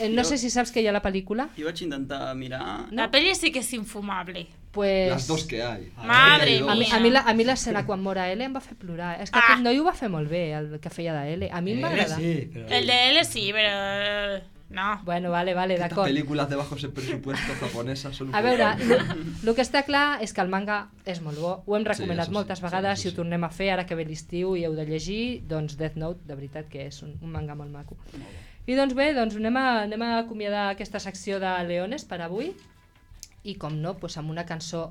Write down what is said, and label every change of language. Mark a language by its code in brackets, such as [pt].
[ca] No sé si saps que hi ha la pel·lícula. Jo vaig intentar mirar... No. La pel·li sí que és infumable. [es] Pues... Las dos que hay. Madre mía. [ca] A mi l'escena quan mora L em va fer plorar. És que aquest noi ho va fer molt bé, el que feia de L. A mi em va agradar. Sí, però... El de L sí, però... No. Bueno, vale, d'acord. Estas [es] películas de bajos en presupuesto japonesas son... [ca] A veure, el que està clar és que el manga és molt bo. Ho hem recomanat moltes vegades, si ho tornem a fer ara que ve l'estiu i heu de llegir, doncs Death Note, de veritat que és un manga molt maco. I doncs bé, doncs anem a acomiadar aquesta secció de Leones per avui. I com no, doncs amb una cançó...